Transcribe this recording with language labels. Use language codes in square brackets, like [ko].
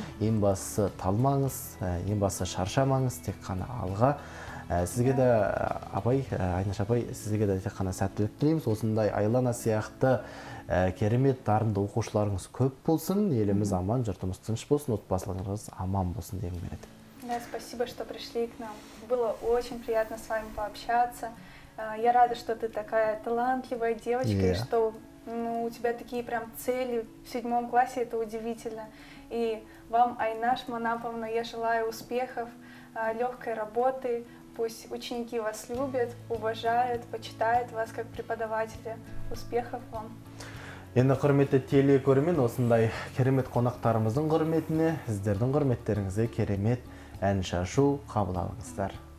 [kk] Ең басы талмаңыз, ең басы шаршамаңыз, тек қана алға. Сізге де абай, Айнаш апай, сізге де тек қана сәттілік тілейміз. Осындай Айлана сияқты керемет дарынды оқушыларыңыз көп болсын, еліміз аман, жұртымыз тыныш болсын, отбасыларыңыз аман болсын деген береді. [ru] Да, спасибо, что пришли к нам. Было очень приятно с вами пообщаться. Я рада, что ты такая талантливая девочка, yeah. И что ну, у тебя такие прям цели в 7 классе, это удивительно. И вам, Айнаш Манаповна, я желаю успехов, легкой работы. Пусть ученики вас любят, уважают, почитают вас как преподавателя. Успехов вам! [kk] Енді құрметті теле көрмен, осындай керемет қонақтарымыздың құрметіне, сіздердің құрметтеріңізге керемет ән шашу қабыл алыңыздар.